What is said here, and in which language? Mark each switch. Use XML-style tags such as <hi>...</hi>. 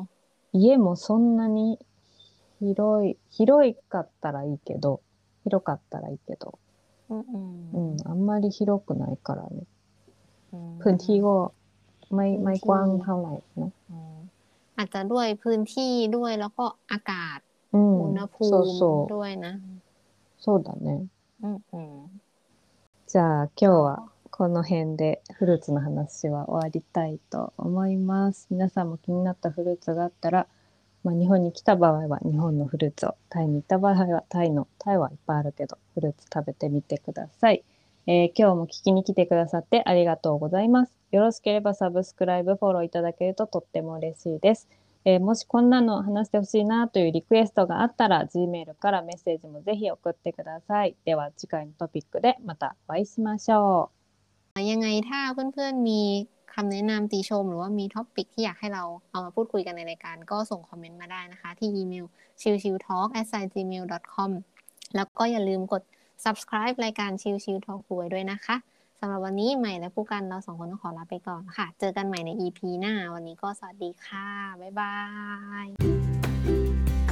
<ja>ะ家もそんなに広い広いかったらいいけど広かったらいいけど</ja> <th>อืมอันไม่ได้กว้างขนาดนี้พื้นที่ก็ไม่กว้างเท่าไหร่นะ อาจจะด้วยพื้นที่ด้วยแล้วก็อากาศ อุ ณหภูมิด้วยนะ</th> <ja>そうだね。うんうん。じゃあ今日はこの辺でフルーツの話は終わりたいと思います。皆さんも気になったフルーツがあったら、まあ、日本に来た場合は日本のフルーツを、タイに行った場合はタイの、タイはいっぱいあるけど、フルーツ食べてみてください。今日も聞きに来てくださってありがとうございます。よろしければサブスクライブ、フォローいただけるととっても嬉しいです。もしこんなの話してほしいなというリクエストがあったら Gmail からメッセージもぜひ送ってください。では次回のトピックでまたお会いしましょう。</ja> <th>ยังไงถ้าเพื่อนๆมีคำแนะนำติชมหรือว่ามีท็อปิกที่อยากให้เราเอามาพูดคุยกันในรายการก็ส่งคอมเมนต์มาได้นะคะที่อีเมล chillchilltalk@gmail.com แล้วก็อย่าลืมกด subscribe รายการ chillchilltalk ด้วยนะคะสำหรับวันนี้ใหม่และผู้กันเราสองคนต้องขอลาไปก่อนค่ะเจอกันใหม่ใน EP หน้าวันนี้ก็สวัสดีค่ะบ๊ายบาย</th>